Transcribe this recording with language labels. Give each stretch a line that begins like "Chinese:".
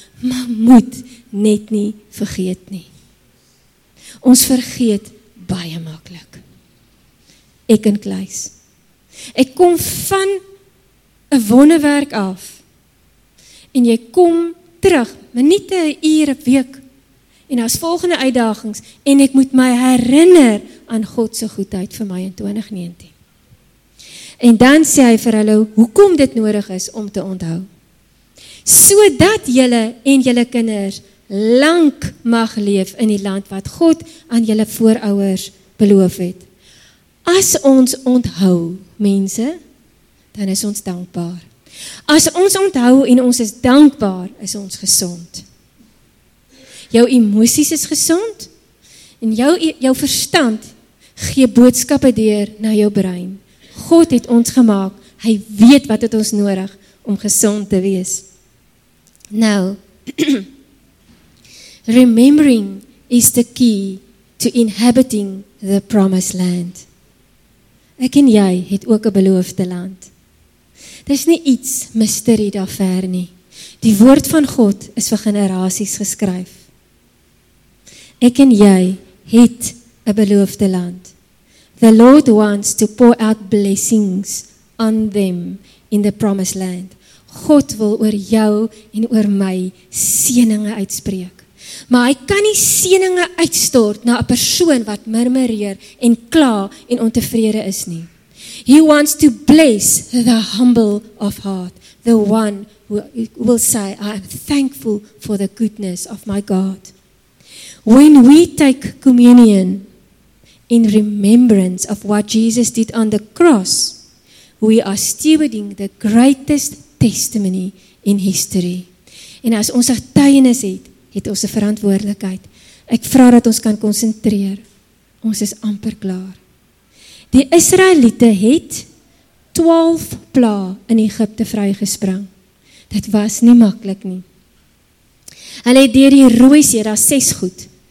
Afrikaans: Maar moet net nie vergeet nie. Ons vergeet baie maklik. Ek en Kluis. Ek kom van 'n wonderwerk af. En jy kom terug, minute, ure, week. En as volgende uitdagings, en ek moet my herinner aan God se goedheid vir my in 2019. En dan sê hy vir hulle, hoekom dit nodig is om te onthou. Sodat julle en julle kinders lank mag leef in die land wat God aan julle voorouers beloof het. As ons onthou, mense, dan is ons dankbaar. As ons onthou en ons is dankbaar, is ons gesond. Jou emosies is gesond en jou verstand gee boodskappe deur na jou brein. God het ons gemaak, hy weet wat het ons nodig om gesond te wees.
English: Nou, remembering is the key to inhabiting the promised land.
Afrikaans: Ek en jy het ook 'n beloofde land. Dis nie iets misterie daar ver nie. Die woord van God is vir generasies geskryf. Ek en jy het 'n beloofde land.
English: The Lord wants to pour out blessings on them in the promised land.
Afrikaans: God wil oor jou en oor my seëninge uitspreek. Maar hy kan nie seëninge uitstort na 'n persoon wat murmureer en kla en ontevrede is nie.
English: He wants to bless the humble of heart, the one who will say, I am thankful for the goodness of my God. When we take communion in remembrance of what Jesus did on the cross, we are stewarding the greatest testimony in history.
Afrikaans: En as ons getuienis het, het ons 'n verantwoordelikheid. Ek vra dat ons kan konsentreer. Ons is amper klaar. Die Israeliete het 12 plaae in Egipte vrygespring. Dit was nie maklik nie. Hulle het deur die Rooi See, daar 6 goed.